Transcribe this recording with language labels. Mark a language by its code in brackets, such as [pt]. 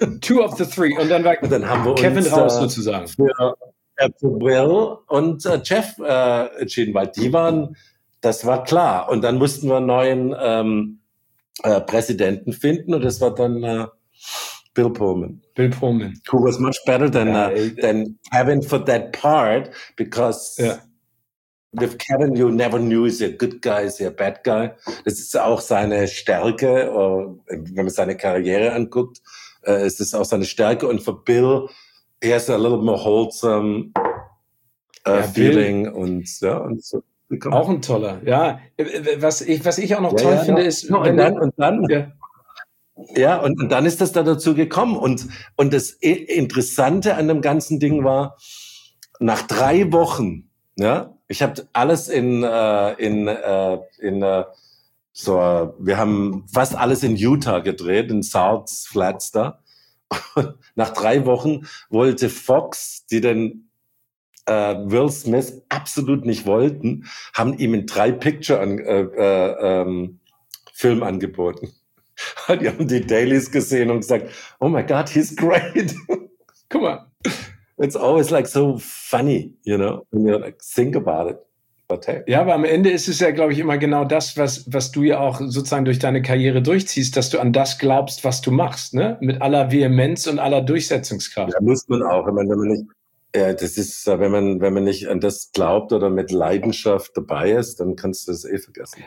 [en] Two of the three. [de] Und dann war und dann haben wir Kevin uns, raus sozusagen. Für Will und Jeff entschieden, weil die waren, das war klar. Und dann mussten wir einen neuen Präsidenten finden und das war dann Bill Pullman. Bill Pullman. [en] Who was much better than Kevin for that part, because... Yeah. With Kevin, you never knew, is he a good guy, is he a bad guy. [de] Das ist auch seine Stärke, wenn man seine Karriere anguckt, ist das auch seine Stärke. Und für Bill, [en] he has a little more wholesome feeling. [de] Bill, und so. Auch ein toller, ja. Was ich auch noch toll finde, ist... Und dann ist das da dazu gekommen. Und das Interessante an dem ganzen Ding war, nach 3 Wochen, ja, ich habe alles wir haben fast alles in Utah gedreht, in South Flats da. Nach 3 Wochen wollte Fox, die den Will Smith absolut nicht wollten, haben ihm einen 3-Picture-Film angeboten. Die haben die Dailies gesehen und gesagt, [en] oh my God, he's great. [de] Guck mal. [en] It's always like so funny, you know, when you like think about it. But hey. [de] Ja, aber am Ende ist es ja, glaube ich, immer genau das, was du ja auch sozusagen durch deine Karriere durchziehst, dass du an das glaubst, was du machst, ne? Mit aller Vehemenz und aller Durchsetzungskraft. Ja, muss man auch. Wenn man nicht an das glaubt oder mit Leidenschaft dabei ist, dann kannst du das eh vergessen.